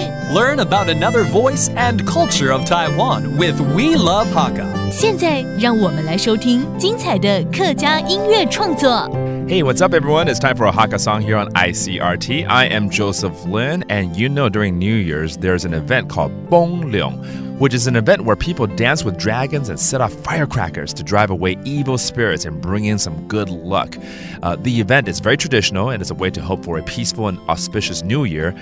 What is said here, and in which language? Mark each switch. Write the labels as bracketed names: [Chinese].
[English] Learn about another voice and culture of Taiwan with We Love Hakka. [Chinese] 现在让我们来收听精彩的客家音乐创作。 [English] Hey, what's up, everyone? It's time for a Hakka song here on ICRT. I am Joseph Lin, and you know during New Year's, there's an event called Bong Leong, which is an event where people dance with dragons and set off firecrackers to drive away evil spirits and bring in some good luck. The event is very traditional, and it's a way to hope for a peaceful and auspicious New Year.